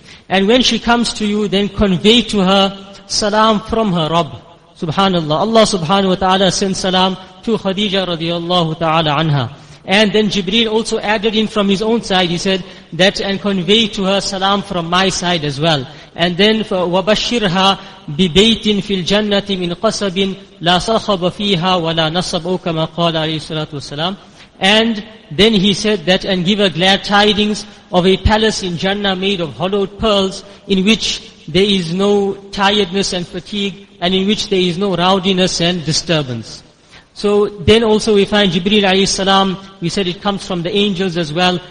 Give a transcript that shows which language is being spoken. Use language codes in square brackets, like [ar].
[en] And when she comes to you, then convey to her salam from her Rabb. Subhanallah. Allah subhanahu wa ta'ala sends salam to Khadija radiallahu ta'ala anha. And then Jibreel also added in from his own side, he said, that and convey to her salam from my side as well. And then, [ar] وَبَشِّرْهَا بِبَيْتٍ فِي الْجَنَّةِ مِنْ قَصَبٍ لَا صَخَبَ فِيهَا وَلَا نَصَبُ كَمَا قَالَ عَلَيْهِ الصَّلَاةُ وَالسَّلَامُ. [en] And then he said that, and give her glad tidings of a palace in Jannah made of hollowed pearls, in which there is no tiredness and fatigue, and in which there is no rowdiness and disturbance. So then also we find Jibreel alayhi salam, we said it comes from the angels as well.